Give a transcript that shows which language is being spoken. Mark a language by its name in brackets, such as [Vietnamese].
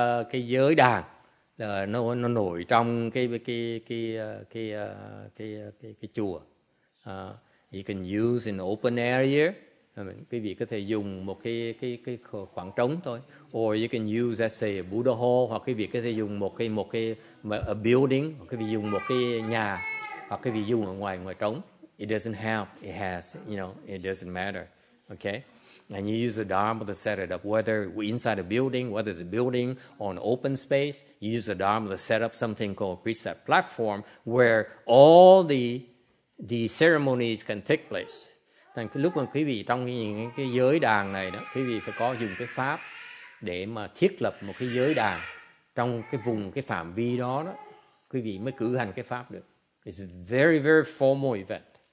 [Vietnamese] Cái giới đàn nó nổi trong cái chùa. [English] You can use an open area. I mean, [Vietnamese] quý vị có thể dùng một cái khoảng trống thôi. [English] Or you can use, let's say, a Buddha hall. [Vietnamese] Hoặc quý vị có thể dùng a building. Hoặc quý vị dùng một cái nhà. Hoặc quý vị dùng ở ngoài trống. [English] It doesn't have, it has, you know, it doesn't matter. Okay? And you use the Dharma to set it up. Whether inside a building, whether it's a building or an open space, you use the Dharma to set up something called a precept platform where all the ceremonies can take place. [Vietnamese] Thành cái lúc mà quý vị trong cái giới đàn này đó, quý vị phải có dùng cái pháp để mà thiết lập một cái giới đàn trong cái vùng, cái phạm vi đó, quý vị mới cử hành cái pháp được. [English] It's a very, very formal event.